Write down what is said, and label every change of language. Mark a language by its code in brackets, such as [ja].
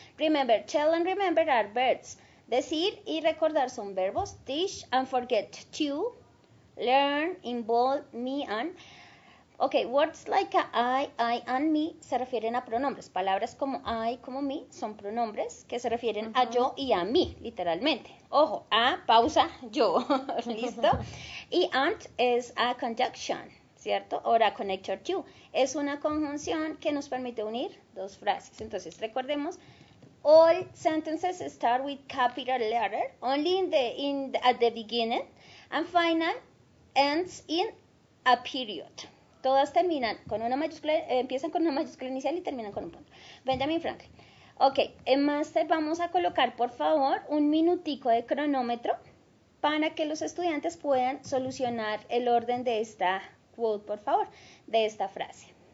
[en] Remember, tell and remember are verbs. [es] Decir y recordar son verbos. [en] Teach and forget to. Learn, involve, me and. Okay, words like I and me [es] se refieren a pronombres. Palabras como I, como me, son pronombres que se refieren uh-huh. a yo y a mí, literalmente. Ojo, a, pausa, yo, ¿listo? Y and es [en] a conjunction. [es] ¿cierto? [en] Or a connector to. [es] Es una conjunción que nos permite unir dos frases. Entonces, recordemos, [en] all sentences start with capital letter, only at the beginning, and final ends in a period. [es] Todas terminan con una mayúscula, empiezan con una mayúscula inicial y terminan con un punto. Benjamin Franklin. Ok, en master vamos a colocar, por favor, un minutico de cronómetro para que los estudiantes puedan solucionar el orden de esta quote, por favor, de esta frase.